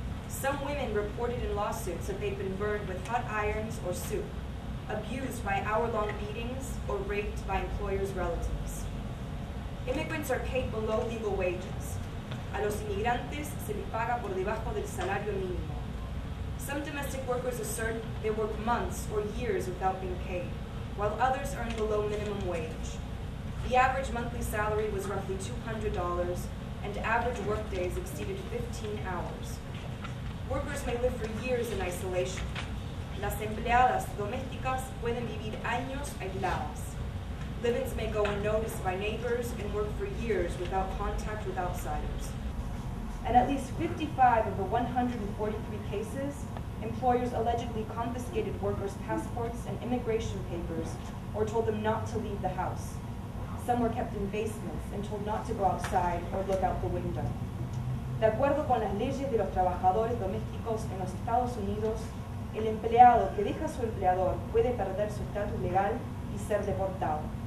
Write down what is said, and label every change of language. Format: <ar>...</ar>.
<en>Some women reported in lawsuits that they've been burned with hot irons or soup, abused by hour-long beatings, or raped by employers' relatives. Immigrants are paid below legal wages.</en> <es>A los inmigrantes se les paga por debajo del salario mínimo.</es> <en>Some domestic workers assert they work months or years without being paid, while others earn below minimum wage. The average monthly salary was roughly $200, and average work days exceeded 15 hours. Workers may live for years in isolation.</en> <es>Las empleadas domésticas pueden vivir años aisladas.</es> <en>Live-ins may go unnoticed by neighbors and work for years without contact with outsiders. and at least 55 of the 143 cases, employers allegedly confiscated workers' passports and immigration papers or told them not to leave the house. Some were kept in basements and told not to go outside or look out the window.</en> <es>De acuerdo con las leyes de los trabajadores domésticos en los Estados Unidos, el empleado que deja a su empleador puede perder su estatus legal y ser deportado.</es>